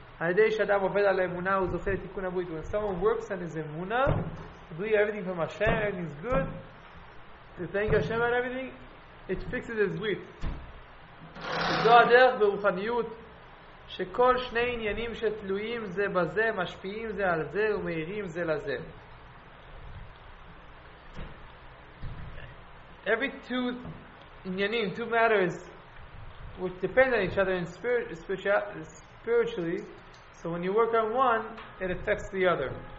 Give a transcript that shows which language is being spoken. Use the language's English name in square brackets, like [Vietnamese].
[Hebrew] על ידי שאדם עובד על האמונה, הוא זוכה לתיקון הברית. [English] When someone works on his Emuna, to believe everything from Hashem, everything is good, to thank Hashem and everything, it fixes his ברית. [Hebrew] זו הדרך ברוחניות, שכל שני עניינים שתלויים זה בזה, משפיעים זה על זה ומהירים זה לזה. [English] Every two inyanim, two matters, which depend on each other in spiritually, so when you work on one, it affects the other.